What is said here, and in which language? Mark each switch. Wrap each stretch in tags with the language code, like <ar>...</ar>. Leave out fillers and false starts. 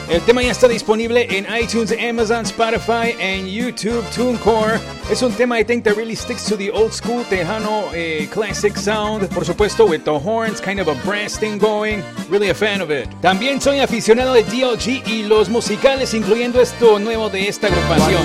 <es>El tema ya está disponible en iTunes, Amazon, Spotify en YouTube, TuneCore.</es> <en>Es un tema, I think, that really sticks to the old school Tejano classic sound. Por supuesto, with the horns, kind of a brass thing going. Really a fan of it.</en> <es>También soy aficionado de DLG y los musicales, incluyendo esto nuevo de esta agrupación.</es>